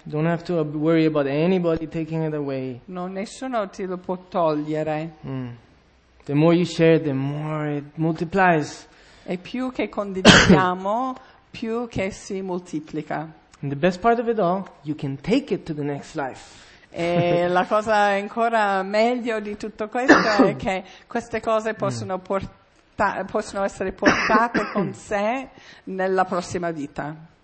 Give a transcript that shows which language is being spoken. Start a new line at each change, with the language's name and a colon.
English: Don't have to worry about anybody taking it away.
Italian: Non nessuno te lo può togliere.
English: The more you share, the more it multiplies.
Italian: E più che condividiamo, più che si moltiplica.
English: And the best part of it all, you can take it to the next life.
Italian: E la cosa ancora meglio di tutto questo è che queste cose possono possono essere portate con sé nella prossima vita.